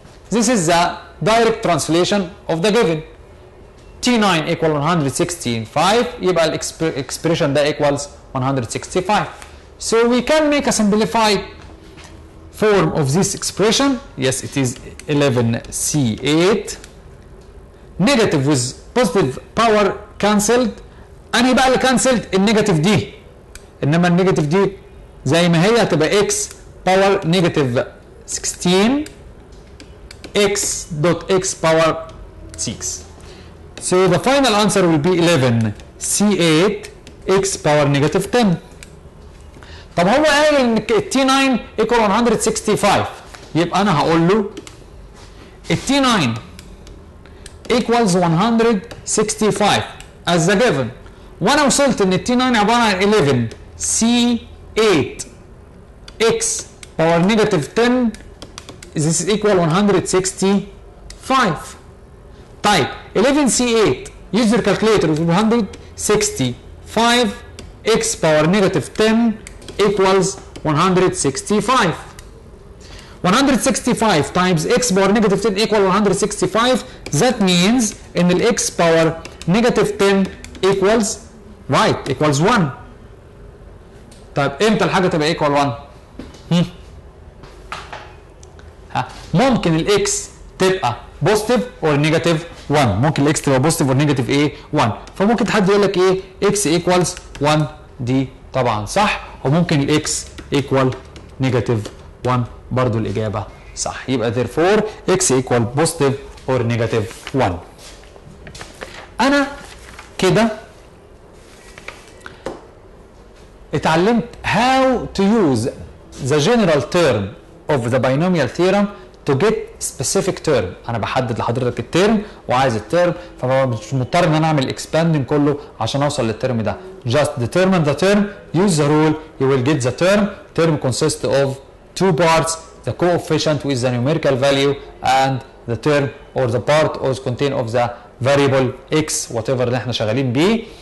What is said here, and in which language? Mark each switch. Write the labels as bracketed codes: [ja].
[en] This is the direct translation of the given. T9 equal 165 [ar] يبقى ال [en] expression ده equals 165. So we can make a simplified form of this expression. Yes it is 11c8 negative with positive power cancelled. [ar] أنا يبقى اللي cancelled النيجاتيف دي. إنما النيجاتيف دي زي ما هي هتبقى [en] x power negative 16 x dot x power 6. So the final answer will be 11c8 x power negative 10. [ar] طب هو قال إن t9 equal 165 يبقى أنا هقول له t9 equals 165 [en] as the given. [ar] وانا وصلت ان [en] t9 [ar] عباره عن [en] 11c8 x power negative 10 this is equal 165. طيب 11c8 use your calculator 165 x power negative 10 equals 165. 165 times x power negative 10 equal 165. That means in the x power negative 10 equals right equals 1. [ar] طيب امتى الحاجة تبقى equal 1؟ ممكن ال x تبقى [en] positive or negative 1. [ar] ممكن ال x تبقى [en] positive or negative a 1. [ar] فممكن تحد يقول لك ايه x equals 1 دي طبعا صح. وممكن ال x equal negative 1 برضو الإجابة صح. [en] يبقى therefore x equal positive or negative 1. [ar] أنا كده اتعلمت [en] how to use the general term of the binomial theorem to get specific term. [ar] أنا بحدد لحضرتك الترم وعايز الترم فمش مضطر أن أعمل expanding كله عشان أوصل للترم ده. [en] Just determine the term, use the rule, you will get the term. Term consists of two parts the coefficient with the numerical value and the term or the part or the contain of the variable x whatever [ar] اللي احنا شغالين بيه.